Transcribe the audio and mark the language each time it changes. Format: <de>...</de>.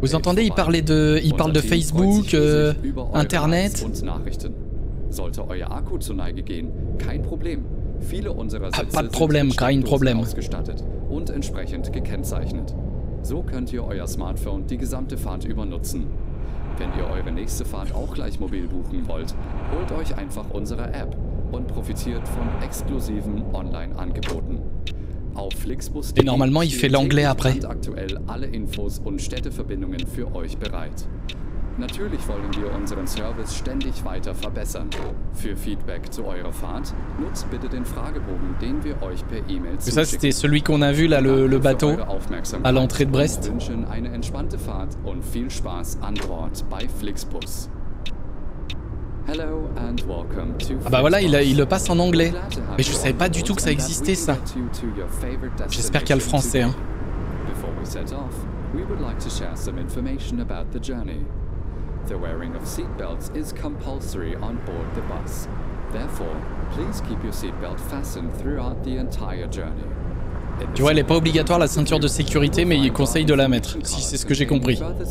<fr>Vous entendez, il parle de Facebook, Internet.</fr> <de>Nachrichten. Sollte euer Akku zu Neige gehen, kein Problem. Viele unserer Sitze sind kein Problem. Ausgestattet und entsprechend gekennzeichnet. So könnt ihr euer Smartphone die gesamte Fahrt über nutzen. Wenn ihr eure nächste Fahrt auch gleich mobil buchen wollt, holt euch einfach unsere App. Und profitiert von exklusiven Online-Angeboten. Auf Flixbus.de.</de> <fr>Et normalement, il fait l'anglais après.</fr> <de>Aktuell alle Infos und Städteverbindungen für euch bereit. Natürlich wollen wir unseren Service ständig weiter verbessern. Für Feedback zu eurer Fahrt nutzt bitte den Fragebogen, den wir euch per E-Mail zuschicken.</de> <fr>Ça, c'était celui qu'on a vu là, le bateau à l'entrée de Brest.</fr> <de>Wir wünschen eine entspannte Fahrt und viel Spaß an Bord bei Flixbus.</de> <en>Hello and welcome to.</en> <fr>Ah bah voilà, il le passe en anglais. Mais je savais pas du tout que ça existait ça. J'espère qu'il y a le français hein.</fr> <en>Before we set off, we would like to share some information about the journey. The wearing of seat belts is compulsory on board the bus. Therefore, please keep your seat belt fastened throughout the entire journey.</en> <fr>Tu vois, elle n'est pas obligatoire la ceinture de sécurité, mais il conseille de la mettre, si c'est ce que j'ai compris.</fr>